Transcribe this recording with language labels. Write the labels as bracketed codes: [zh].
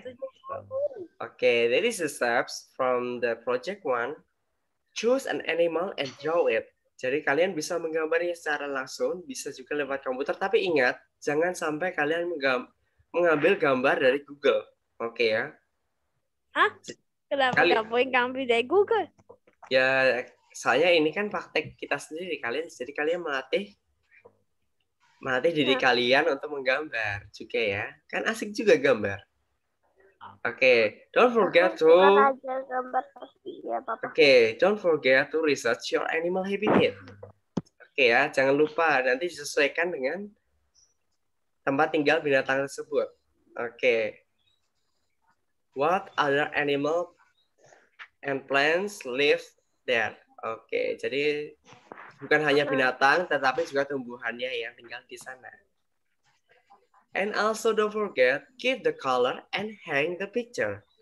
[en] Oke, okay, that is the steps from the project one. Choose an animal and draw it. [id] Jadi kalian bisa menggambarnya secara langsung, bisa juga lewat komputer. Tapi ingat, jangan sampai kalian mengambil gambar dari Google. Oke ya? Hah? Kenapa nggak boleh ngambil dari Google? Ya, soalnya ini kan praktek kita sendiri. Kalian, jadi kalian melatih melatih diri kalian untuk menggambar juga ya. Kan asik juga gambar. Okay, [en] don't forget to. Okay, don't forget to research your animal habitat. [id] Okay ya, jangan lupa nanti disesuaikan dengan tempat tinggal binatang tersebut. Okay. [en] What other animal and plants live there? [id] Okay, jadi bukan hanya binatang, tetapi juga tumbuhannya yang tinggal di sana. [en] And also don't forget, keep the color and hang the picture.